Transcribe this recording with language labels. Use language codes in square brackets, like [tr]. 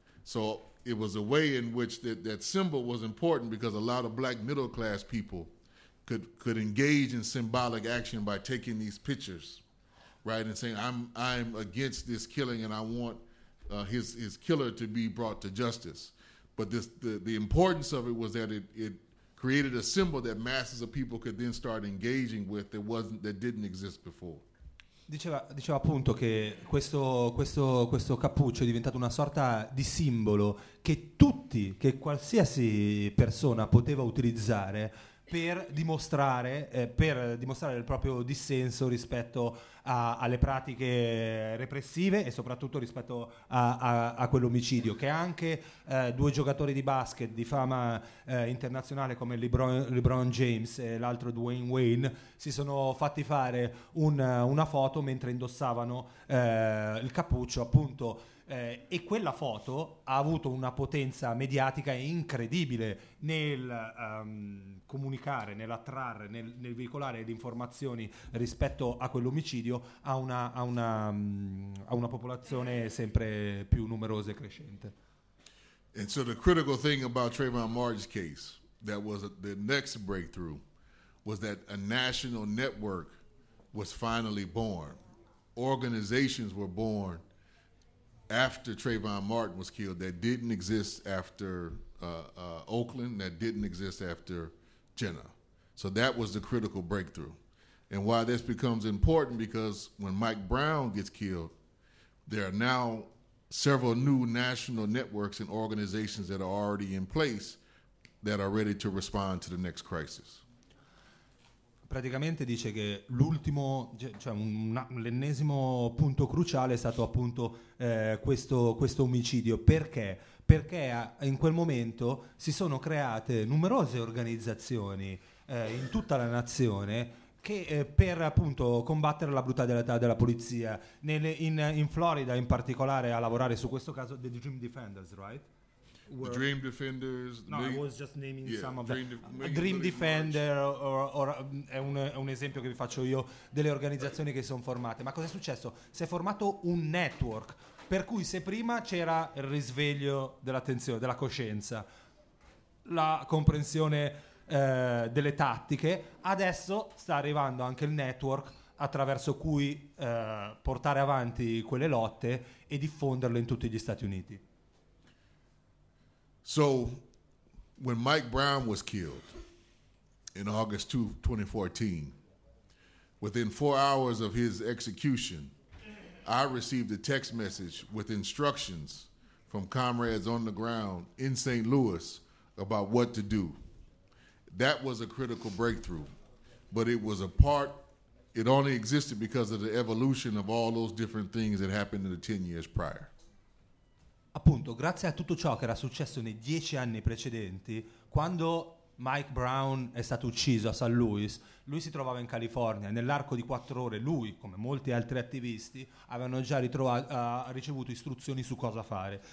[en] So it was a way in which that symbol was important because a lot of black middle class people could engage in symbolic action by taking these pictures, right, and saying I'm against this killing and I want his killer to be brought to justice. But the importance of it was that it created a symbol that masses of people could then start engaging with that didn't exist before. [it] Diceva appunto che questo cappuccio è diventato una sorta di simbolo che qualsiasi persona poteva utilizzare per dimostrare il proprio dissenso rispetto alle pratiche repressive e soprattutto rispetto a quell'omicidio che anche due giocatori di basket di fama internazionale come LeBron James e l'altro Dwayne Wade si sono fatti fare una foto mentre indossavano il cappuccio appunto. E quella foto ha avuto una potenza mediatica incredibile nel comunicare, nell'attrarre, nel veicolare le informazioni rispetto a quell'omicidio a una popolazione sempre più numerosa e crescente. [en] And so the critical thing about Trayvon Martin's case that was the next breakthrough was that a national network was finally born. Organizations were born after Trayvon Martin was killed that didn't exist after Oakland, that didn't exist after Jenna. So that was the critical breakthrough. And why this becomes important because when Mike Brown gets killed, there are now several new national networks and organizations that are already in place that are ready to respond to the next crisis. [it] Praticamente dice che l'ultimo, cioè l'ennesimo punto cruciale è stato appunto questo omicidio. Perché? Perché in quel momento si sono create numerose organizzazioni in tutta la nazione che per appunto combattere la brutalità della polizia. In Florida in particolare a lavorare su questo caso, The Dream Defenders, right? [en] The Dream Defenders. No, I was just naming some of them. [it] Dream Defender è un esempio che vi faccio io delle organizzazioni che si sono formate. Ma cosa è successo? Si è formato un network. Per cui se prima c'era il risveglio dell'attenzione, della coscienza, la comprensione delle tattiche, adesso sta arrivando anche il network attraverso cui portare avanti quelle lotte e diffonderle in tutti gli Stati Uniti. [en] So, when Mike Brown was killed in August 2014, within 4 hours of his execution, I received a text message with instructions from comrades on the ground in St. Louis about what to do. That was a critical breakthrough, but it was a part, it only existed because of the evolution of all those different things that happened in the 10 years prior. [it] Appunto, grazie a tutto ciò che era successo nei 10 anni precedenti, quando Mike Brown è stato ucciso a San Luis, lui si trovava in California. Nell'arco di 4 ore, lui, come molti altri attivisti, avevano già ricevuto istruzioni su cosa fare.